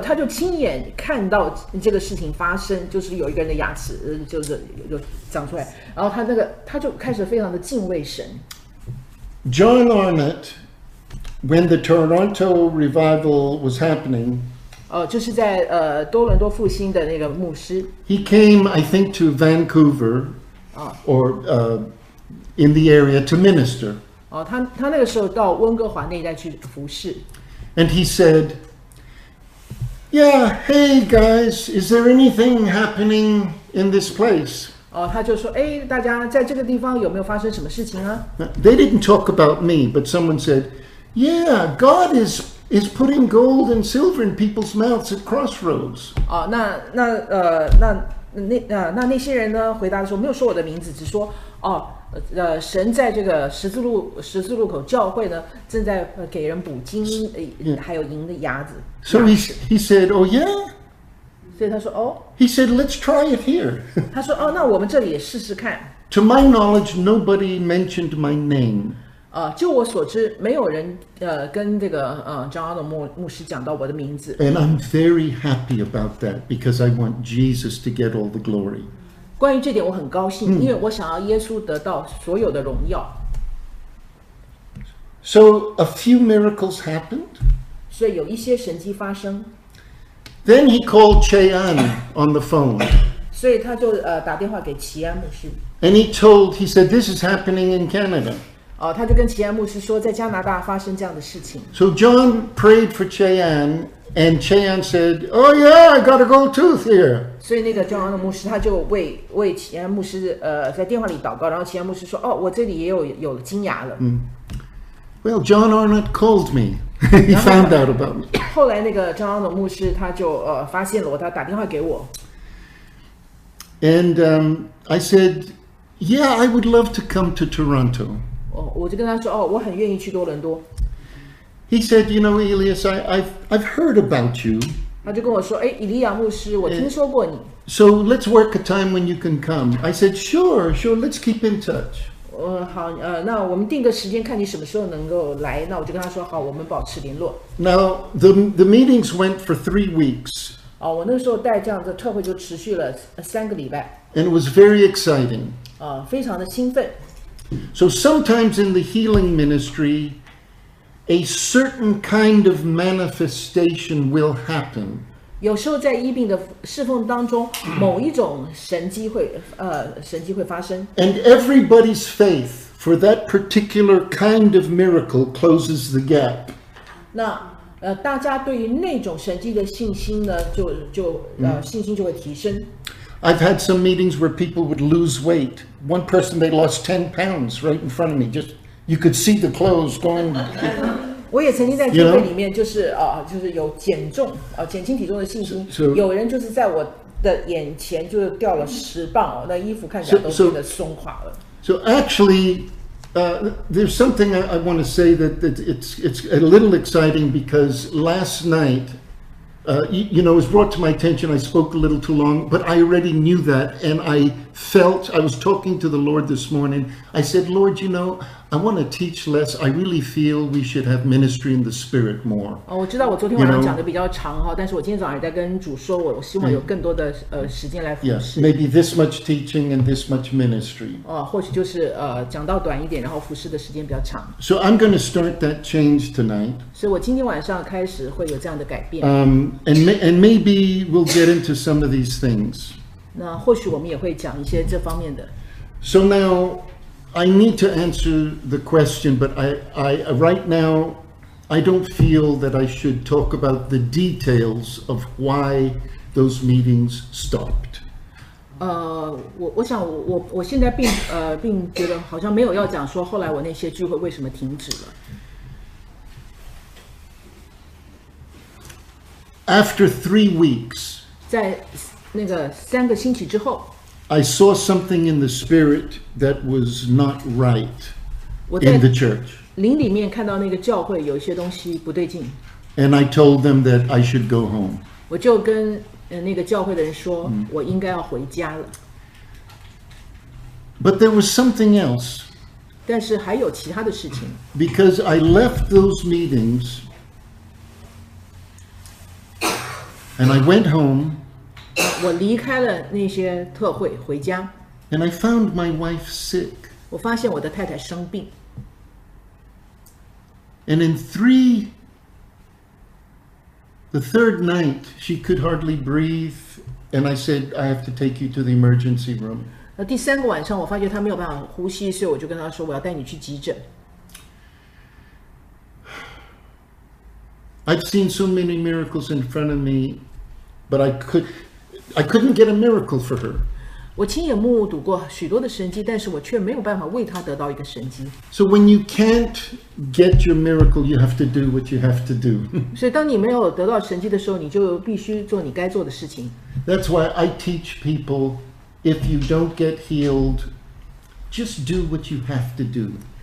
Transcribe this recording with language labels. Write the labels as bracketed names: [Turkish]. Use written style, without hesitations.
[Chinese] 她就亲眼看到这个事情发生，就是有一个人的牙齿就是就长出来，然后她那个她就开始非常的敬畏神。 [English] John Arnott, when the Toronto revival was happening. [Chinese] 就是在多伦多复兴的那个牧师。 [English] He came, I think, to Vancouver, or in the area to minister. [Chinese] 他那个时候到温哥华那一带去服侍。 [English] And he said, "Yeah, hey guys, is there anything happening in this place?" [Chinese] 他就说，哎，大家在这个地方有没有发生什么事情啊？ [English] They didn't talk about me, but someone said, yeah, God is putting gold and silver in people's mouths at crossroads. [Chinese] 那些人呢回答说，没有说我的名字，只说神在这个十字路口教会呢，正在给人补金银， yeah. 还有银的鸭子。 [English] So he said, oh yeah. [Chinese] 所以他说哦。 [English] He said, let's try it here. [Chinese] 他说哦，那我们这里也试试看。 [English] To my knowledge, nobody mentioned my name. [Chinese] 就我所知，没有人跟这个John Arnold牧师讲到我的名字。 [English] And I'm very happy about that because I want Jesus to get all the glory. [Chinese] 关于这点我很高兴，因为我想要耶稣得到所有的荣耀。 [English] So a few miracles happened. [Chinese] 所以有一些神迹发生。 [English] Then he called Cheyan on the phone. [Chinese] 所以他就打电话给齐安牧师。 [English] And he said, this is happening in Canada. [Chinese] 他就跟齐安牧师说，在加拿大发生这样的事情。 [English] So John prayed for Cheyan. And Cheyan said, "Oh yeah, I got a gold tooth here." [Chinese] 所以那个John Arnold牧师他就为齐安牧师在电话里祷告，然后齐安牧师说，哦，我这里也有金牙了。 [English] Mm. Well, John Arnold called me. He found out about me. [Chinese] 后来那个John Arnold牧师他就发现了我，他打电话给我。 [English] And I said, "Yeah, I would love to come to Toronto." [Chinese] 我就跟他说，哦，我很愿意去多伦多。 [English] He said, "You know, Elias, I've heard about you." [Chinese] 他就跟我说，哎，以利亚牧师，我听说过你。 [English] So let's work a time when you can come. I said, "Sure, sure. Let's keep in touch." [Chinese] 好，那我们定个时间，看你什么时候能够来。那我就跟他说，好，我们保持联络。 [English] Now the meetings went for 3 weeks. [Chinese] 我那时候带这样的特会就持续了三个礼拜。 [English] And it was very exciting. [Chinese] 非常的兴奋。 [English] So sometimes in the healing ministry. A certain kind of manifestation will happen. [Chinese] 有时候在医病的侍奉当中，某一种神迹会发生。 [English] And everybody's faith for that particular kind of miracle closes the gap. [Chinese] 那大家对于那种神迹的信心呢，信心就会提升。 [English] I've had some meetings where people would lose weight. One person they lost 10 pounds right in front of me, just. You could see the clothes going. [Chinese] 我也曾经在教会里面，就是就是有减重减轻体重的信心。有人就是在我的眼前就掉了10磅哦，那衣服看起来都变得松垮了。 [English] So actually, there's something I want to say that it's a little exciting because last night, it was brought to my attention. I spoke a little too long, but I already knew that, and I was talking to the Lord this morning. I said, Lord, you know. I want to teach less. I really feel we should have ministry in the spirit more. [Chinese] 我知道我昨天晚上讲的比较长哈，但是我今天早上也在跟主说，我希望有更多的时间来服侍。 [English] Yes, maybe this much teaching and this much ministry. [Chinese] 或许就是讲到短一点，然后服侍的时间比较长。 [English] So I'm going to start that change tonight. [Chinese] 所以我今天晚上开始会有这样的改变。 [English] And maybe we'll get into some of these things. [Chinese] 那或许我们也会讲一些这方面的。 [English] So now. I need to answer the question, but I right now, I don't feel that I should talk about the details of why those meetings stopped. [Chinese] 我想我现在并觉得好像没有要讲说后来我那些聚会为什么停止了。 [English] After 3 weeks, [Chinese] 在那个三个星期之后。 [English] I saw something in the spirit that was not right in the church. [Chinese] 灵里面看到那个教会有一些东西不对劲。 [English] And I told them that I should go home. [Chinese] 我就跟那个教会的人说，我应该要回家了。 [English] But there was something else. [Chinese] 但是还有其他的事情。 [English] Because I left those meetings, and I went home. [Chinese] 我离开了那些特会回家。 [English] And I found my wife sick. [Chinese] 我发现我的太太生病。 [English] And in the third night, she could hardly breathe. And I said, I have to take you to the emergency room. [Chinese] 第三个晚上我发觉她没有办法呼吸，所以我就跟她说我要带你去急诊。 [English] I've seen so many miracles in front of me, but I couldn't get a miracle for her. [Chinese] 我亲眼目睹过许多的神迹，但是我却没有办法为他得到一个神迹。 [English] So when you can't get your miracle, you have to do what you have to do. [Chinese] 所以当你没有得到神迹的时候，你就必须做你该做的事情。 [English] That's why I teach people, if you don't get healed, just do what you have to do.